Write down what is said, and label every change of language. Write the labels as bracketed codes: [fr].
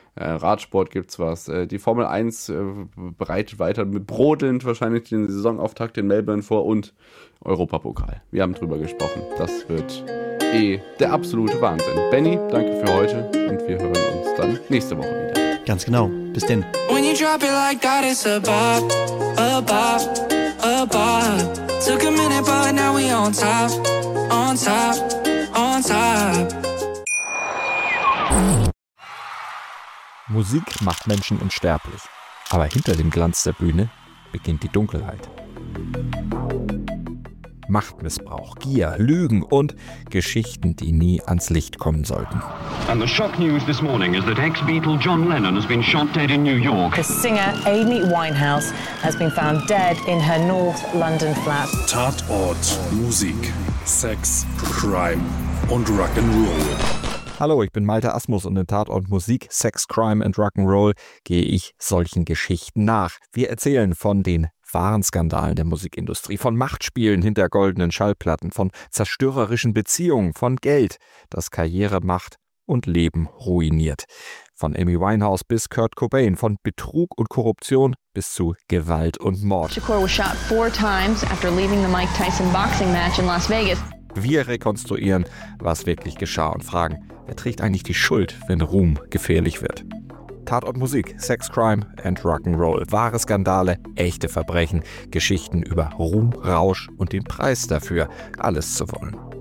[de] Radsport gibt's was. Die Formel 1 bereitet weiter mit brodelnd wahrscheinlich den Saisonauftakt in Melbourne vor und Europapokal. Wir haben drüber gesprochen. Das wird der absolute Wahnsinn. Benny, danke für heute und wir hören uns dann nächste Woche wieder. Ganz genau. Bis denn. [en] When you drop it like that, it's a bop, a bop, a bop. Took a minute, but now we on top, on top, on top. [de] Musik macht Menschen unsterblich. Aber hinter dem Glanz der Bühne beginnt die Dunkelheit. Machtmissbrauch, Gier, Lügen und Geschichten, die nie ans Licht kommen sollten. [en] And the shock news this morning is that ex-Beatle John Lennon has been shot dead in New York. A singer, Amy Winehouse, has been found dead in her North London flat. [de] Tatort, Musik, Sex, Crime und Rock'n'Roll. Hallo, ich bin Malte Asmus und in Tatort Musik, Sex, Crime and Rock'n'Roll gehe ich solchen Geschichten nach. Wir erzählen von den wahren Skandalen der Musikindustrie, von Machtspielen hinter goldenen Schallplatten, von zerstörerischen Beziehungen, von Geld, das Karriere macht und Leben ruiniert. Von Amy Winehouse bis Kurt Cobain, von Betrug und Korruption bis zu Gewalt und Mord. [en] Shakur was shot 4 times after leaving the Mike Tyson boxing match in Las Vegas. [de] Wir rekonstruieren, was wirklich geschah und fragen, wer trägt eigentlich die Schuld, wenn Ruhm gefährlich wird? Tatort Musik, Sex, Crime and Rock'n'Roll. Wahre Skandale, echte Verbrechen, Geschichten über Ruhm, Rausch und den Preis dafür, alles zu wollen.